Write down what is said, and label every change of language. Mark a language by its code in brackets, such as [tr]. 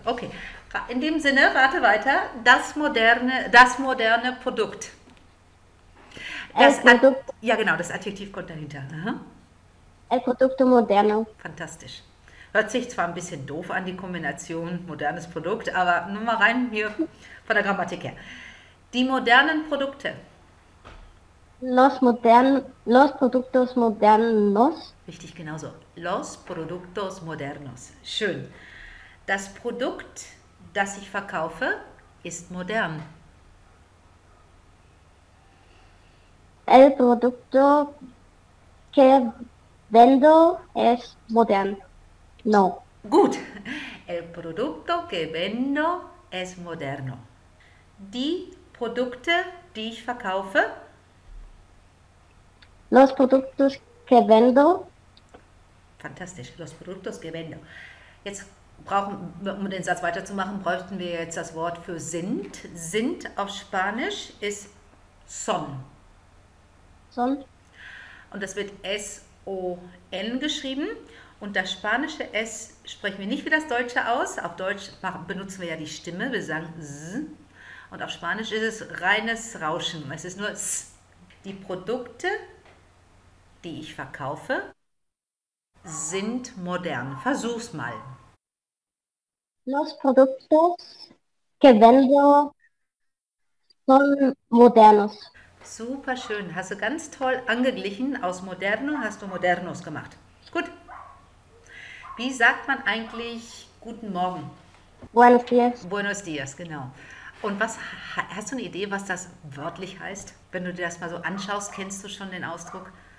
[de] Okay, in dem Sinne, rate weiter. Das moderne Produkt. Das Adjektiv kommt dahinter. [es] El producto moderno. [de] Fantastisch. Hört sich zwar ein bisschen doof an, die Kombination modernes Produkt, aber nur mal rein hier von der Grammatik her. Die modernen Produkte. [es] Los productos modernos. [de] Richtig, genauso. [es] Los productos modernos. [de] Schön. Das Produkt, das ich verkaufe, ist modern. [es] El producto que vendo es moderno. [de] Gut. [es] El producto que vendo es moderno. [de] Die Produkte, die ich verkaufe. [es] Los productos que vendo. [de] Fantastisch. [es] Los productos que vendo. [de] Jetzt brauchen, um den Satz weiterzumachen, bräuchten wir jetzt das Wort für sind. Sind auf Spanisch ist son. [es] Son. [de] Und das wird S-O-N geschrieben. Und das spanische S sprechen wir nicht wie das deutsche aus. Auf Deutsch benutzen wir ja die Stimme. Wir sagen S. Und auf Spanisch ist es reines Rauschen. Es ist nur S. Die Produkte, die ich verkaufe, sind modern. Versuch's mal. [es] Los productos que vendo son modernos. [de] Super schön. Hast du ganz toll angeglichen. Aus moderno hast du modernos gemacht. Gut. Wie sagt man eigentlich guten Morgen? [es] Buenos dias. Buenos dias, genau. [de] Und was hast du eine Idee, was das wörtlich heißt? Wenn du dir das mal so anschaust, kennst du schon den Ausdruck?